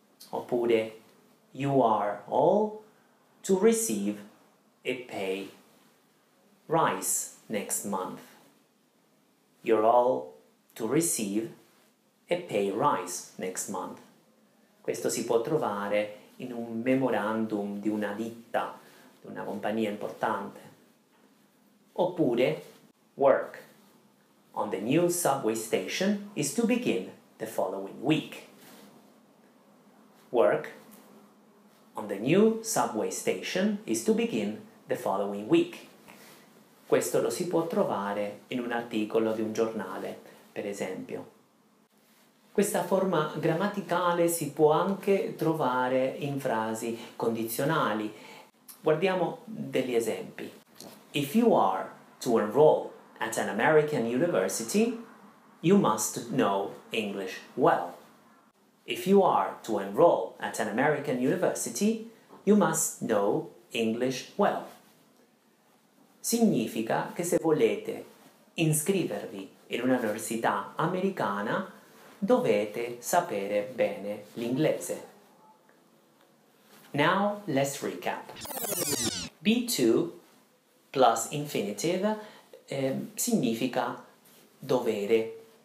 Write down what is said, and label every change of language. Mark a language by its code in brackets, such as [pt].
[it] Oppure, [en] you are all to receive a pay rise next month. You're all to receive a pay rise next month. [it] Questo si può trovare in un memorandum di una ditta, di una compagnia importante. Oppure, [en] work on the new subway station is to begin the following week. Work on the new subway station is to begin the following week. [it] Questo lo si può trovare in un articolo di un giornale, per esempio. Questa forma grammaticale si può anche trovare in frasi condizionali. Guardiamo degli esempi. [en] If you are to enroll at an American university, you must know English well. If you are to enroll at an American university, you must know English well. [it] Significa che se volete iscrivervi in un'università americana, dovete sapere bene l'inglese. [en] Now let's recap. B2 plus infinitive [it] significa dovere.